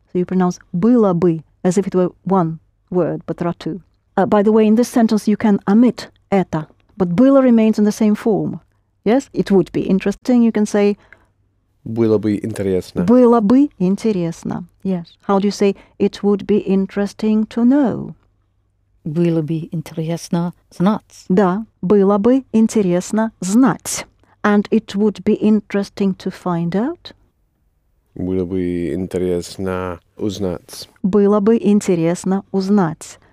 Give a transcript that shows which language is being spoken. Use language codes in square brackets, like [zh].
[en] So you pronounce было бы as if it were one word, but there are two. By the way, in this sentence, you can omit это, but было remains in the same form. Yes, it would be interesting. You can say [ru] было бы интересно. Было бы интересно. [en] Yes. How do you say it would be interesting to know? [ru] Было бы интересно знать. Да, было бы интересно знать. [en] And it would be interesting to find out. [ru] Было бы интересно узнать. Было бы интересно узнать.